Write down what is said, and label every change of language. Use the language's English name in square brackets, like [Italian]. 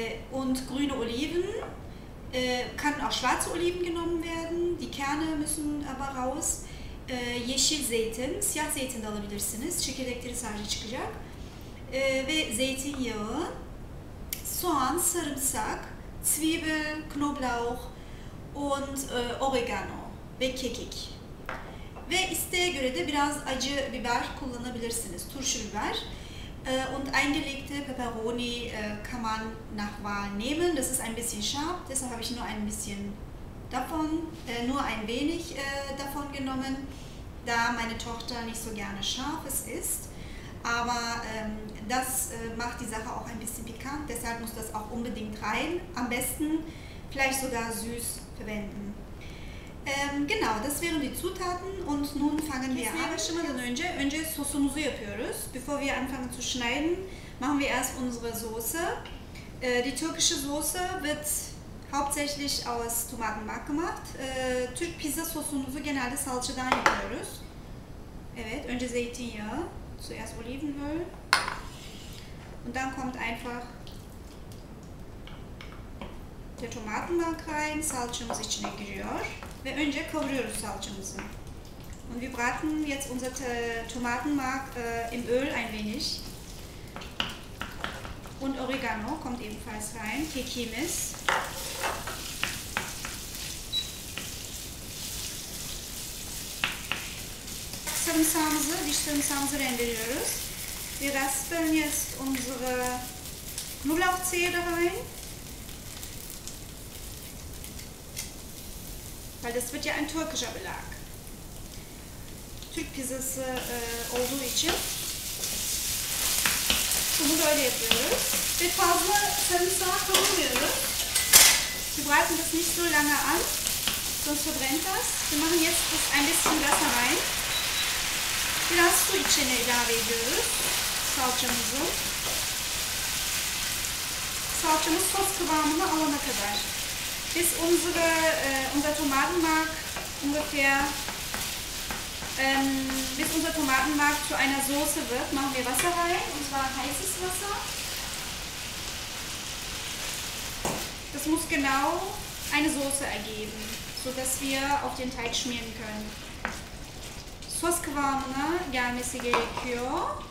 [German] Und grüne Oliven, kann auch schwarze Oliven genommen werden, die Kerne müssen aber raus. [Turkish] Yeşil zeytin, siyah zeytin de alabilirsiniz, çekirdekleri sadece çıkacak. Ve zeytinyağı. Soğan, sarımsak, [German] zwiebel, knoblauch und oregano [Turkish] ve kekik. Ve isteğe göre de biraz acı biber kullanabilirsiniz, turşu biber. [German] Und eingelegte Peperoni kann man nach Wahl nehmen. Das ist ein bisschen scharf, deshalb habe ich nur ein bisschen davon, nur ein wenig davon genommen, da meine Tochter nicht so gerne scharfes isst. Aber das macht die Sache auch ein bisschen pikant, deshalb muss das auch unbedingt rein. Am besten vielleicht sogar süß verwenden. Genau, das wären die Zutaten und nun fangen wir an. [Turkish] Aşamadan önce sosumuzu yapıyoruz. [German] Bevor wir anfangen zu schneiden, machen wir erst unsere Soße. Die türkische Soße wird hauptsächlich aus Tomatenmark gemacht. [Turkish] Türk Pizza sosumuzu genelde salçadan yapıyoruz. Evet, önce zeytinyağı. [German] Zuerst Olivenöl und dann kommt einfach der Tomatenmark rein, [Turkish] Salçamız içine giriyor ve önce kavuruyoruz salçamızı. [German] Und wir braten jetzt unser Tomatenmark im Öl ein wenig. Und Oregano kommt ebenfalls rein, Kekimiz. So. [Turkish] Stimmsamse, die Stimmsamse rendeliyoruz. [German] Wir raspeln jetzt unsere Knoblauchzehe rein. Weil das wird ja ein türkischer Belag. [Turkish] Türkpizzası olduğu için bunu böyle yapıyoruz. Ve fazla sarımsağı kavurmuyoruz. [German] Wir braten das nicht so lange an, sonst verbrennt das. Wir machen jetzt das ein bisschen Wasser rein. [Turkish] Biraz su içine ilave ediyoruz salçamızı. Salçamız sos kıvamını alana kadar. [German] Bis unsere, unser Tomatenmark ungefähr bis unser Tomatenmark zu einer Soße wird, machen wir Wasser rein, und zwar heißes Wasser. Das muss genau eine Soße ergeben, sodass wir auf den Teig schmieren können. [Turkish] Sos kıvamına gelmesi gerekiyor.